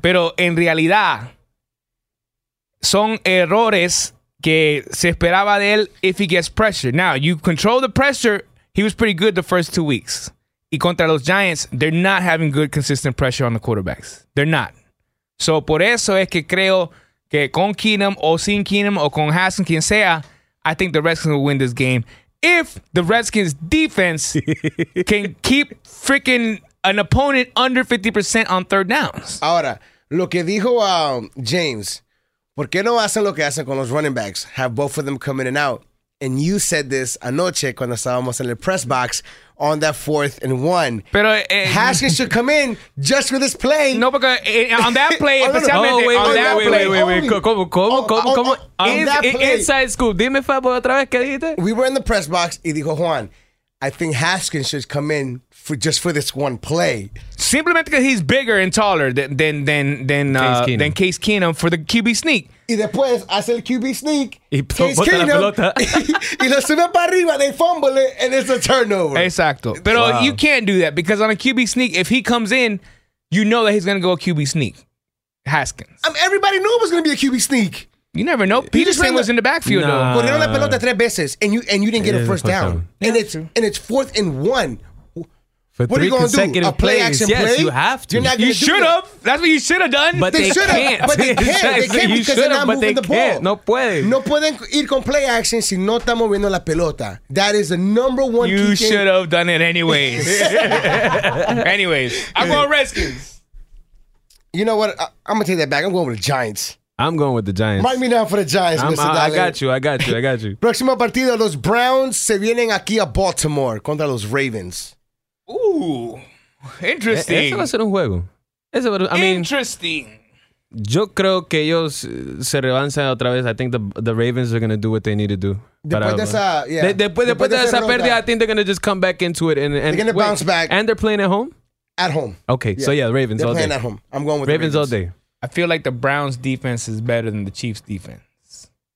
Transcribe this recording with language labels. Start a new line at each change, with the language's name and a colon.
Spanish: Pero en realidad, son errores que se esperaba de él
English: if he gets pressure. Now, you control the pressure. He was pretty good the first 2 weeks.
Spanish: Y contra los
English: Giants, they're not having good, consistent pressure on the quarterbacks. They're not. So,
Spanish: por eso es que creo que con Keenum o sin Keenum o con Haskins, quien sea,
English: I think the Redskins will win this game. If the Redskins defense can keep freaking an opponent under 50% on third downs.
Spanish: Ahora, lo que dijo James, ¿por qué no hacen lo que hacen con los running backs?
English: Have both of them come in and out. And you said this
Spanish: anoche cuando estábamos en el
English: press box on that 4th-and-1.
Spanish: Pero
English: Haskins should come in just for this play.
Spanish: No, porque
English: on that play,
Spanish: especialmente
English: inside scoop.
Spanish: Dime, Fabio, otra vez, ¿qué dijiste?
English: We were in the press box
Spanish: y dijo Juan,
English: I think Haskins should come in for just for this one play. Simplemente because he's bigger and taller than Case Keenum for the QB sneak.
Spanish: Y después hace el QB sneak. Y Case Keenum, la pelota. Y lo sube para arriba.
English: They fumble it. And it's a turnover.
Spanish: Exacto. Pero
English: wow. You can't do that. Because on a QB sneak, if he comes in, you know that he's going to go a QB sneak. Haskins. Everybody knew it was going to be a QB sneak. You never know. Peterson was in the backfield, though.
Spanish: Corrieron la pelota tres veces.
English: And you didn't get a first down. And it's 4th-and-1. What are you going to do? A play action play? You have to. You're not, you should have. That's what you should have done. But they can't. But they can't because they're not moving the ball.
Spanish: No pueden. No pueden ir con play action si no está moviendo la pelota.
English: That is the number one. You should have done it anyways. Anyways. I'm going Redskins. You know what? I'm going to take that back. I'm going with the Giants. Mark me down for the Giants, Mr. Dale. I got you.
Spanish: Próximo partido, los Browns se vienen aquí a Baltimore contra los Ravens.
English: Ooh, interesting.
Spanish: Ese va a ser un juego.
English: Interesting.
Spanish: Yo creo que ellos se revanzan otra vez.
English: I think the Ravens are going to do what they need to do.
Spanish: Después de esa pérdida,
English: I think they're going to just come back into it. And they're going to bounce back. And they're playing at home? At home. Okay, yeah. So yeah, the Ravens they're all day. They're playing at home. I'm going with Ravens all day. I feel like the Browns defense is better than the Chiefs defense.